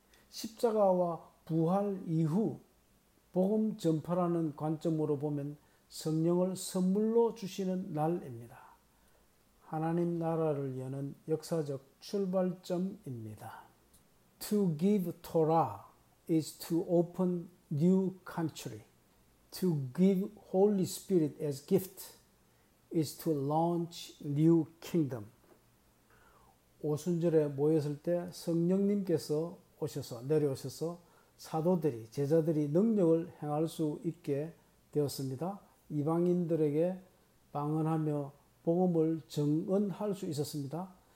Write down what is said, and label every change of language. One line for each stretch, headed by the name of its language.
Korean: 십자가와 부활 이후 복음 전파라는 관점으로 보면 성령을 선물로 주시는 날입니다. 하나님 나라를 여는 역사적 출발점입니다.
English: To give Torah is to open new country. To give Holy Spirit as gift is to launch new kingdom.
Korean: 오순절에 모였을 때 성령님께서 오셔서 내려오셔서 사도들이 제자들이 능력을 행할 수 있게 되었습니다. 이방인들에게 방언하며 복음을 증언할 수 있었습니다.